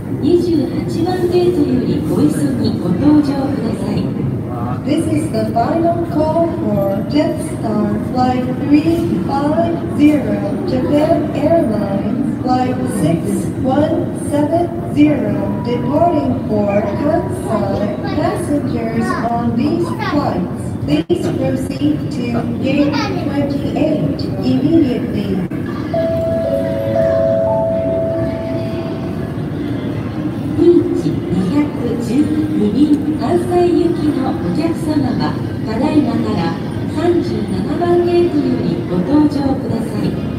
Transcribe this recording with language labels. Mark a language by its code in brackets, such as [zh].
[ja] 28番ゲートよりお急ぎご搭乗ください。 [en] This is the final call for Jetstar Flight 350 Japan Airlines Flight 6170 departing for Kansai passengers on these flightsPlease proceed to gate 28 immediately. [ja] Beach 212便関西行きのお客様はただいまから37番ゲートよりご搭乗ください。